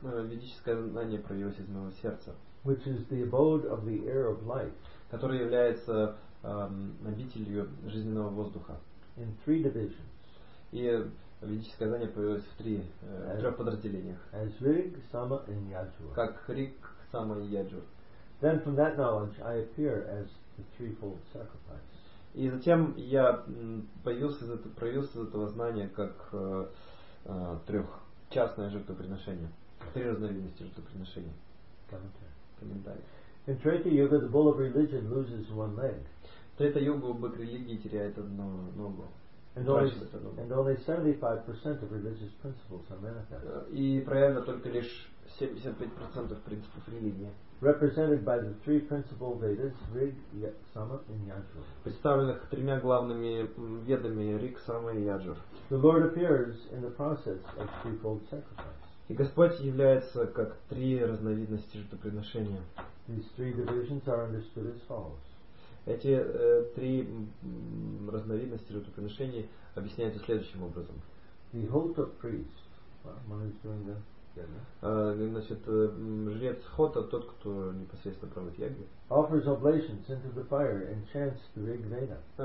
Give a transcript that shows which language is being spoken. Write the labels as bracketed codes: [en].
[ru] Ведическое знание проявилось из моего сердца. [en] Which is the abode of the air of life. [ru] Который является обителью жизненного воздуха. [en] In three divisions. [ru] И ведическое знание появилось в трех подразделениях. [en] As Rig, Sama and Yajur. [ru] Как Риг, Сама и Яджур. [en] Then from that knowledge I appear as the threefold sacrifice. [ru] И затем я проявился из этого знания как трехчастное жертвоприношение. Три разновидности жертвоприношения. Комментарий. [en] In Treta Yuga the bull of religion loses one leg. [ru] Treta Yuga бык религии теряет одну ногу. [en] And only 75% of religious principles are manifest. [ru] И проявлено только лишь 75% принципов религии. [en] Represented by the three principal Vedas, Rig, Sama, and Yajur. [ru] Представленных тремя главными ведами Риг, Сама и Яджур. [en] The Lord appears in the process of threefold sacrifice. [ru] И Господь является как три разновидности жертвоприношения. [en] These three divisions are understood as follows. [ru] Эти три разновидности жертвоприношений объясняются следующим образом. [en] The Hotep priest, one is doing the [ru] значит, жрец Хота, тот, кто непосредственно проводит ягью, [en] offers oblations into the fire and chants the Rig Veda.